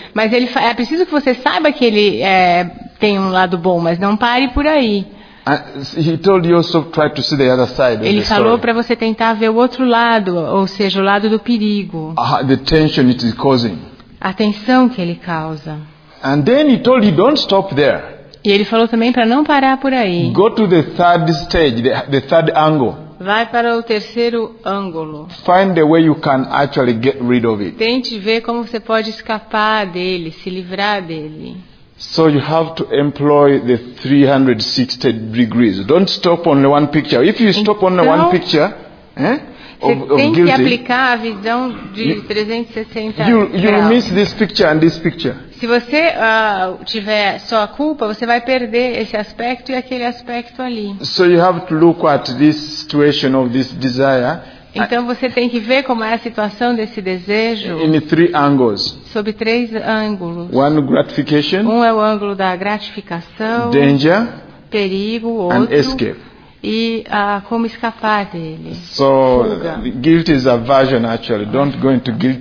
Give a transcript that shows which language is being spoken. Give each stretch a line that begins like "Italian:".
Portuguese: Mas ele é preciso que você saiba que ele tem um lado bom, mas não pare por aí.
English: He told you also try to see the other side.
Portuguese: Ele falou para você tentar ver o outro lado, ou seja, o lado do perigo.
English: The tension it is causing.
Portuguese: A tensão que ele causa.
English: And then he told you don't stop there.
Portuguese: E ele falou também para não parar por aí.
English: Go to the third stage, the third angle.
Portuguese: Vai para o terceiro ângulo.
English: Find the way you can actually get rid of it.
Portuguese: Tente ver como você pode escapar dele, se livrar dele.
English: So you have to employ the 360 degrees. Don't stop on one picture. If you stop
Portuguese: então,
English: on one picture,
Portuguese: of tem
English: guilty,
Portuguese: que aplicar a visão de 360 graus.
English: You will miss this picture and this picture.
Portuguese: Se você tiver só a culpa, você vai perder esse aspecto e aquele aspecto ali.
English: So you have to look at this situation of this desire.
Portuguese: Então você tem que ver como é a situação desse desejo.
English: In three angles.
Portuguese: Sob três ângulos.
English: One gratification.
Portuguese: Um é o ângulo da gratificação.
English: Danger.
Portuguese: Perigo. Outro.
English: And escape.
Portuguese: E como escapar dele.
English: So guilt is aversion actually. Okay. Don't go into guilt.